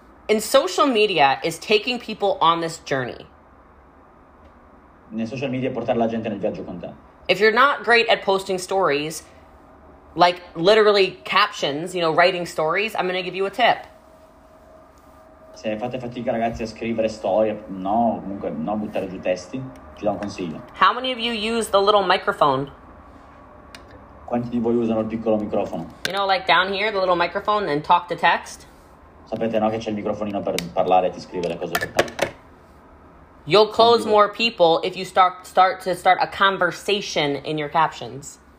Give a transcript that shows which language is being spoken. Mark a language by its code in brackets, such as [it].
[en] And social media is taking people on this journey. [it] Nei social media portare la gente nel viaggio con te. [en] If you're not great at posting stories, like literally captions, you know, writing stories, I'm going to give you a tip. [it] Se fate fatica, ragazzi, a scrivere storie, no, comunque, no, buttare giù testi, ti do un consiglio. [en] How many of you use the little microphone? [it] Quanti di voi usano il piccolo microfono? [en] You know, like down here, the little microphone, and talk to text? [it] Sapete, no, che c'è il microfonino per parlare e ti scrive le cose. [en] You'll close more people if you start a conversation in your captions.